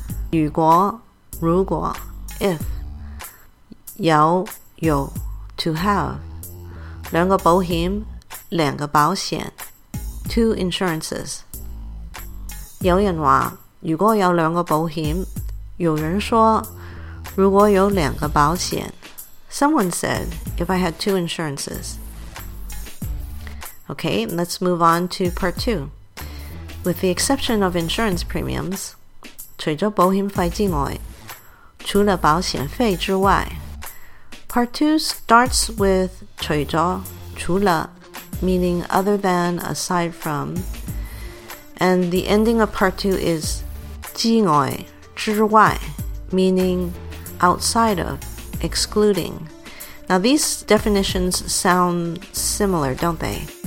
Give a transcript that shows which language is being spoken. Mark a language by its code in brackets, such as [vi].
[zh] 如果如果 [en] If [zh] 有有 [en] To have [zh] 两个保险两个保险 [en] two insurances [zh] 有人说如果有两个保险有人说如果有两个保险 [en] someone said if I had two insurances okay let's move on to part 2 with the exception of insurance premiums [zh] 除了保险费之外除了保险费之外 [en] part 2 starts with [zh] 除了除了 [en] meaning other than, aside from, and the ending of part 2 is [zh] 之外, 之外, [en] meaning outside of, excluding. Now these definitions sound similar, don't they?